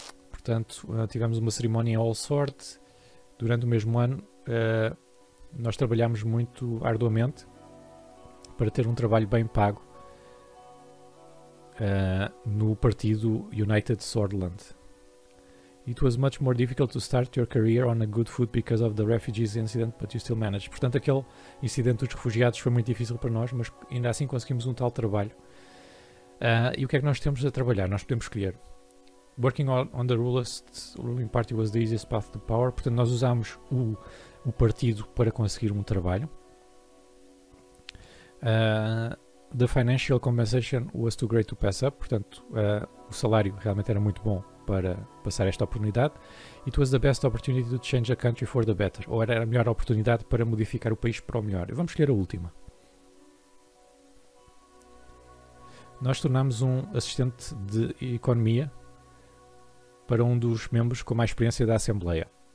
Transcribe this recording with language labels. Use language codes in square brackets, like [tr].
[pt] Portanto, tivemos uma cerimónia em All Sort. Durante o mesmo ano, nós trabalhámos muito arduamente para ter um trabalho bem pago no partido United Sordland. [en] It was much more difficult to start your career on a good foot because of the refugees incident, but you still managed. [pt] Portanto, aquele incidente dos refugiados foi muito difícil para nós, mas ainda assim conseguimos um tal trabalho. E o que é que nós temos a trabalhar? Nós podemos escolher. [en] Working on the ruling party was the easiest path to power. [pt] Portanto, nós usámos o partido para conseguir um trabalho. [en] The financial compensation was too great to pass up. [pt] Portanto, o salário realmente era muito bom para passar esta oportunidade. [en] It was the best opportunity to change the country for the better. [pt] Ou era a melhor oportunidade para modificar o país para o melhor. Vamos escolher a última. Nós tornámos um assistente de economia. para um dos membros com mais experiência da Assembleia.